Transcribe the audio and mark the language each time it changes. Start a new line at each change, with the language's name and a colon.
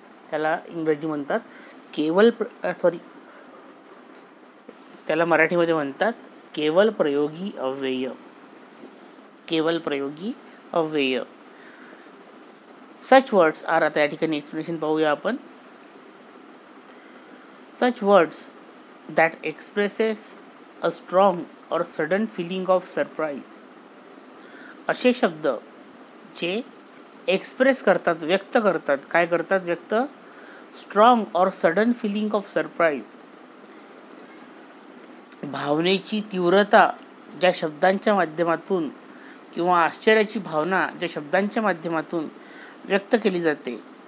Marathi: त्याला इंग्रजी म्हणतात केवल त्याला मराठीमध्ये म्हणतात केवल प्रयोगी अव्यय. केवल प्रयोगी अव्यय
English: Such words are.
Marathi: आता या ठिकाणी एक्सप्लेनेशन पाहूया आपण.
English: Such words that expresses a strong और sudden feeling of surprise.
Marathi: असे शब्द जे एक्सप्रेस करतात व्यक्त करतात काय करतात व्यक्त
English: Strong और sudden feeling of surprise.
Marathi: भावनेची तीव्रता ज्या शब्दांच्या माध्यमातून किंवा आश्चर्याची भावना ज्या शब्दांच्या माध्यमातून व्यक्त केली जाते.